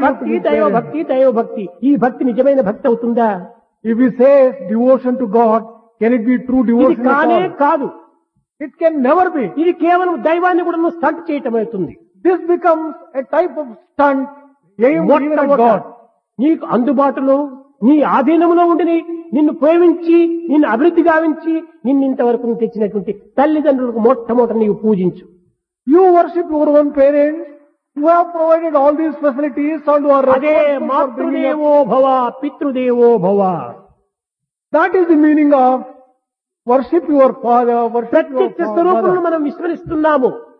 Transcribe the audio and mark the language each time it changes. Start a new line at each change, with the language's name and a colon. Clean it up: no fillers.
Telugu: bhakti,
English: to his parents,
Telugu: దైవభక్తి ఈ భక్తి నిజమైన భక్తి అవుతుందా?
English: If he says devotion to God, can it be true devotion?
Telugu: ఇది కానే కాదు.
English: It can never be.
Telugu: ఇది కేవలం దైవాన్ని కూడా స్టంట్ చేయటం అవుతుంది.
English: This becomes a type of stunt aimed at God.
Telugu: నీకు అందుబాటులో నీ ఆధీనంలో ఉండి నిన్ను ప్రేమించి నిన్ను అభివృద్ధి గావించి నిన్ను ఇంతవరకు తెచ్చినటువంటి తల్లిదండ్రులకు మొట్టమొదట నీవు పూజించు.
English: You worship your own parents who have provided all these facilities and who are
Sanskrit: matrudevo bhava pitrudevo bhava.
English: That is the meaning of worship your father, worship
Telugu: pratyaksha swarupulanu manam visvaristhunnamu.